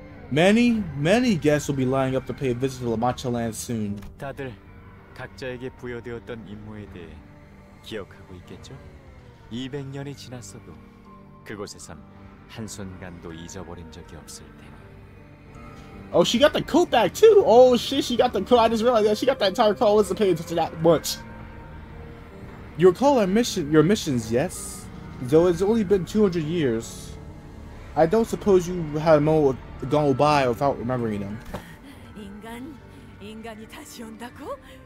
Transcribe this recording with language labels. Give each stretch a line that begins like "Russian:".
English: Many, many guests will be lining up to pay a visit to Lamanchaland soon.
Korean: 다들 각자에게 부여되었던 임무에 대해 기억하고 있겠죠? 200년이 지났어도 그곳에선 한 순간도 잊어버린 적이 없을 테니.
English: Oh, she got the coat back too. Oh shit, she got the coat. I just realized that she got the entire coat. I wasn't paying attention that much. You recall our mission, your missions, yes? Though it's only been 200 years, I don't suppose you had a moment gone by without remembering them.
Korean: 인간, 인간이 다시 온다고?